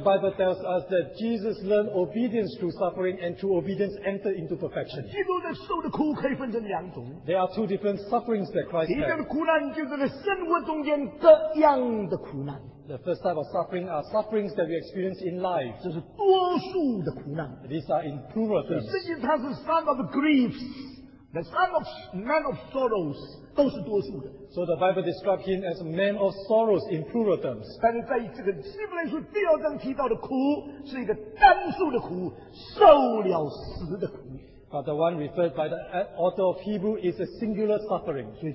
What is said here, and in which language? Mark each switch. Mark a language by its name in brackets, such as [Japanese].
[English] Bible tells us that Jesus learned obedience through suffering and through obedience entered into perfection. [Chinese] 基督的受的苦可以分成两种。 [English] There are two different sufferings that Christ had. [Chinese] 第一个苦难就是在生活中间各样的苦难。 [English] The first type of suffering are sufferings that we experience in life. [Chinese] 这是多数的苦难。 [English] These are in plural terms. [Chinese] 所以它是 [English] son of griefs, the son of man of sorrows, [Chinese] 都是多数的。 [English] So the Bible describes him as a man of sorrows in plural terms. [Chinese] 但是在这个希伯来书第二章提到的苦是一个单数的苦，受了死的苦。 [English] But the one referred by the author of Hebrew is a singular suffering.